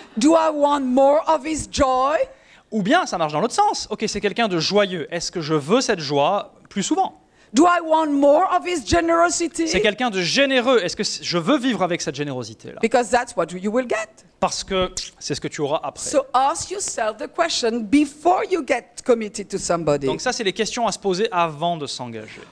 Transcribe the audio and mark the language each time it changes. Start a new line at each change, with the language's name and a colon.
English: Do I want more of his joy?
French: Ou bien, ça marche dans l'autre sens. Ok, c'est quelqu'un de joyeux. Est-ce que je veux cette joie plus souvent?
English: Do I want more of his generosity?
French: C'est quelqu'un de généreux. Est-ce que je veux vivre avec cette générosité-là?
English: Because that's what you will get.
French: Parce que c'est ce que tu auras après.
English: So ask yourself the question before you get committed to somebody.
French: Donc ça, c'est les questions à se poser avant de s'engager.